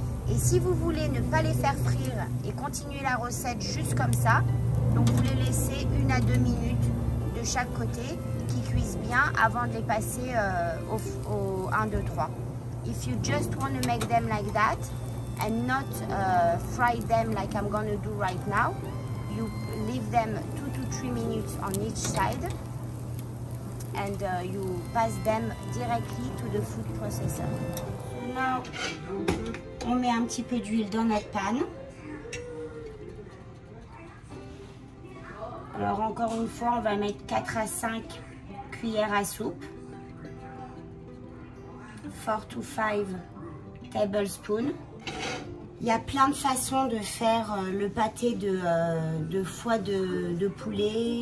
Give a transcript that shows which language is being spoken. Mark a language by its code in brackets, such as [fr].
[fr] Et si vous voulez ne pas les faire frire et continuer la recette juste comme ça, donc vous les laissez 1 à 2 minutes de chaque côté qui cuisent bien avant de les passer au 1, 2, 3. [en] If you just want to make them like that and not fry them like I'm gonna do right now, you leave them 2 to 3 minutes on each side and you pass them directly to the food processor. [fr] Now, on met un petit peu d'huile dans notre panne. Alors encore une fois, on va mettre 4 à 5 cuillères à soupe. [en] 4 to 5 tablespoons. [fr] Il y a plein de façons de faire le pâté de foie de poulet.